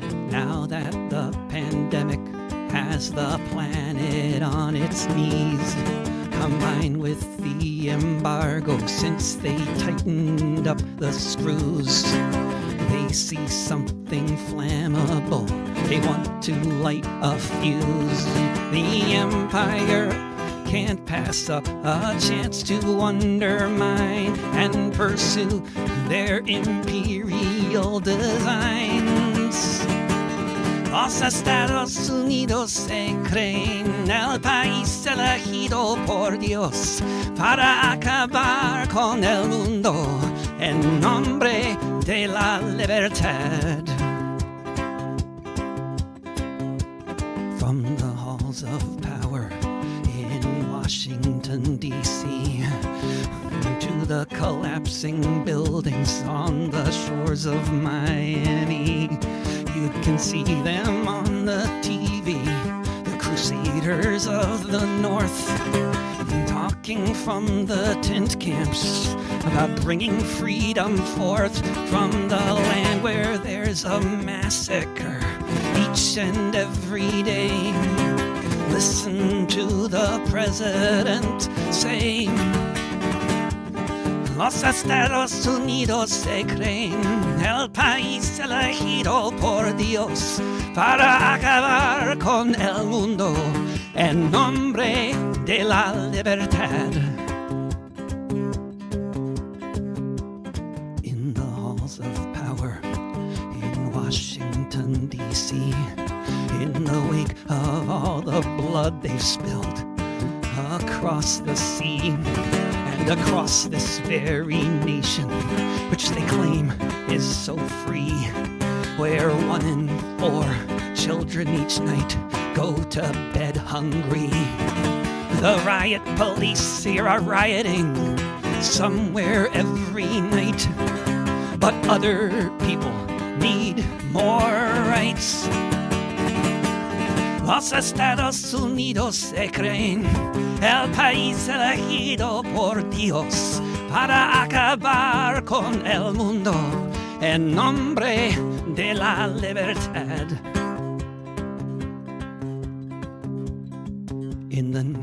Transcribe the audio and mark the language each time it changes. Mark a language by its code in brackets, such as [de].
[en] Now that the pandemic has the planet on its knees, combined with the embargo since they tightened up the screws, they see something flammable, they want to light a fuse. The empire can't pass up a chance to undermine and pursue their imperial designs. [es] Los Estados Unidos se creen el país elegido por Dios para acabar con el mundo en nombre de la libertad. [en] From the halls of power in Washington, D.C., to the collapsing buildings on the shores of Miami, you can see them on the TV, the Crusaders of the North, talking from the tent camps about bringing freedom forth from the land where there's a massacre each and every day. Listen to the president say, [es] Los Estados Unidos se creen el país elegido por Dios para acabar con el mundo en nombre de la libertad. [en] In the halls of power in Washington, D.C., in the wake of all the blood they've spilled across the sea, across this very nation, which they claim is so free, where one in four children each night go to bed hungry. The riot police here are rioting somewhere every night, but other people need more rights. [es] Los Estados Unidos se creen el país elegido por Dios para acabar con el mundo en nombre de la libertad. [en] In the